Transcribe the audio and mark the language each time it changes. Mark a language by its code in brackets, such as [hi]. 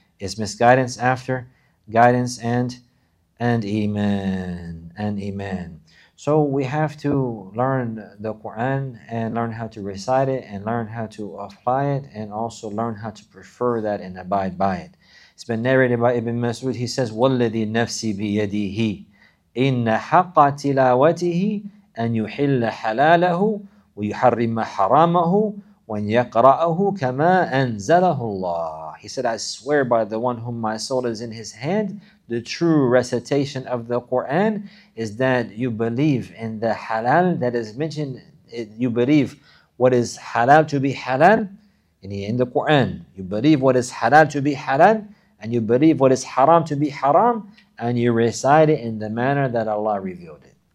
[en] Is misguidance after guidance and iman. And iman. So we have to learn the Quran and learn how to recite it and learn how to apply it and also learn how to prefer that and abide by it. It's been narrated by Ibn Mas'ud. He says, [ar] وَالَّذِي نَفْسِي بِيَدِهِ إِنَّ حَقَّ تِلَاوَتِهِ أَنْ يُحِلَّ حَلَالَهُ وَيُحَرِّمَ حَرَامَهُ وَنْ يَقْرَأَهُ كَمَا أَنْزَلَهُ اللَّهُ. [en] He said, I swear by the one whom my soul is in his hand, the true recitation of the Quran is that you believe in the halal that is mentioned. You believe what is halal to be halal in the Quran. You believe what is halal to be halal, and you believe what is haram to be haram, and you recite it in the manner that Allah revealed it.